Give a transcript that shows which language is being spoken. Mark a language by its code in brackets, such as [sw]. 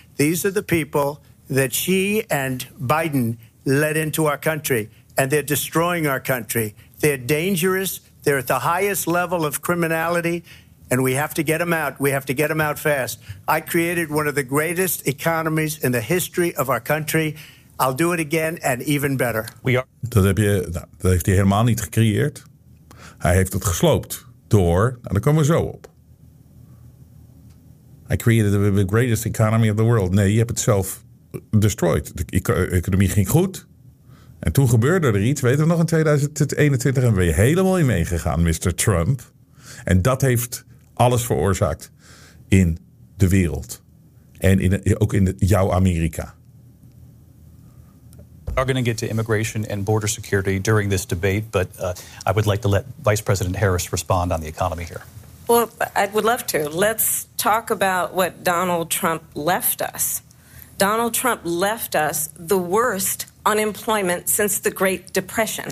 [en] These are the people that she and Biden led into our country, and they're destroying our country. They're dangerous. They're at the highest level of criminality, and we have to get them out. We have to get them out fast. I created one of the greatest economies in the history of our country. I'll do it again and even better. We are. [nl] Dat heeft hij helemaal niet gecreëerd. Hij heeft het gesloopt door. Nou, daar komen we zo op. [en] I created the greatest economy of the world. [nl] Nee, je hebt het zelf destroyed. De economie ging goed. En toen gebeurde er iets. Weet je nog, in 2021 en ben je helemaal in meegegaan, Mr. Trump. En dat heeft alles veroorzaakt in de wereld. En ook in jouw Amerika. [en] We are going to get to immigration and border security during this debate, but I would like to let Vice President Harris respond on the economy here. Well, I would love to. Let's talk about what Donald Trump left us. Donald Trump left us the worst unemployment since the Great Depression.